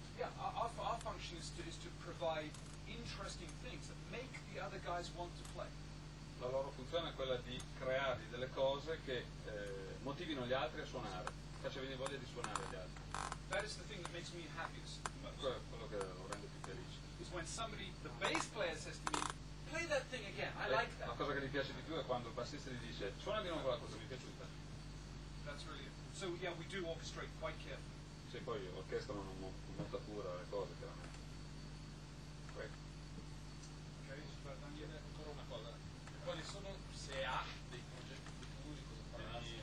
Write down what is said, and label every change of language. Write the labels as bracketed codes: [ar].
[en] Yeah, our function is to provide interesting things that make the other guys want to play. [it] La loro funzione è quella di creare delle cose che motivino gli altri a suonare, faccia venire voglia di suonare gli altri. [en] That is the thing that makes me happiest. [it] Quello che lo rende più felice. [en] Is when somebody, the bass player, says to me, play that thing again, I like that. [it] La cosa che gli piace di più è quando il bassista gli dice, suona di nuovo quella cosa, mi è piaciuta. [en] That's really it. So yeah, we do orchestrate quite carefully. [it] E poi orchestrano con molta cura le cose, chiaramente. Ok, ancora una cosa. Quali sono, se ha, dei progetti futuri, cosa farai?